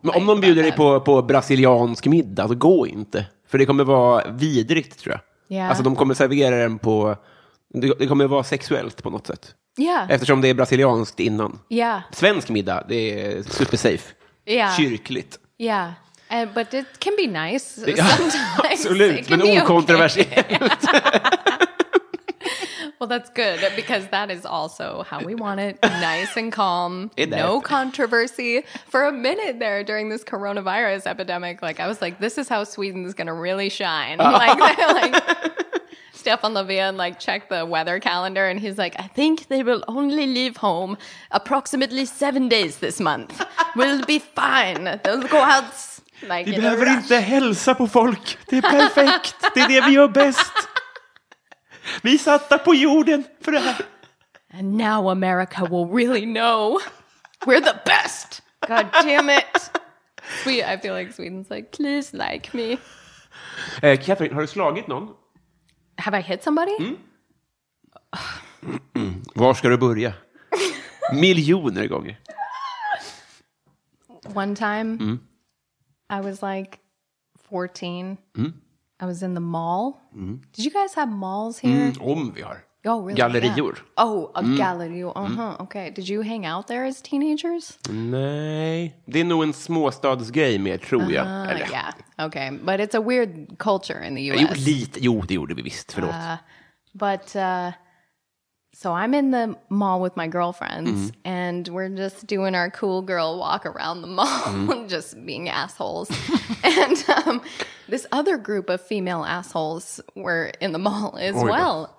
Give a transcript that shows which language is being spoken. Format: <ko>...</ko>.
<sv>Men om någon bjuder dig på brasiliansk middag, så gå inte. För det kommer vara vidrigt, tror jag.</sv> <en>Yeah.</en> <sv>Alltså, de kommer servera den på... Det kommer vara sexuellt på något sätt.</sv> <en>Yeah.</en> <sv>Eftersom det är brasilianskt innan.</sv> <en>Yeah.</en> <sv>Svensk middag, det är</sv> <en>super safe. Yeah.</en> <sv>Kyrkligt.</sv> <en>Yeah. But it can be nice sometimes.</en> <sv>Absolut, men okontroversiellt.</sv> <en>Well, that's good, because that is also how we want it. Nice and calm. No controversy. For a minute there during this coronavirus epidemic, like, I was like, this is how Sweden is going to really shine. Like, Stefan Löfven, like, check the weather calendar, and he's like, I think they will only leave home approximately 7 days this month. We'll be fine. They'll go out. Like,</en> <sv>vi behöver inte hälsa på folk. Det är perfekt. Det är det vi gör bäst. Vi satte på jorden för det här.</sv> <en>And now America will really know we're the best. God damn it. I feel like Sweden's like, please like me.</en> <sv>Catherine, har du slagit någon?</sv> <en>Have I hit somebody? Mm.</en> <sv>Var ska du börja? Miljoner gånger.</sv> <en>One time. Mm. I was like 14. Mm. I was in the mall. Mm. Did you guys have malls here?</en> <sv>Om vi har.</sv> <en>Oh, really?</en> <sv>Gallerior.</sv> <en>Yeah. Oh, a gallery. Uh-huh. Okay. Did you hang out there as teenagers?</en> <sv>Nej. Det är nog en småstadsgrej mer, tror jag. Eller?</sv> <en>Yeah. Okay. But it's a weird culture in the US.</en> <sv>Jo, det gjorde vi visst. Förlåt.</sv> <en>So I'm in the mall with my girlfriends, and we're just doing our cool girl walk around the mall, just being assholes. And this other group of female assholes were in the mall as well.</en>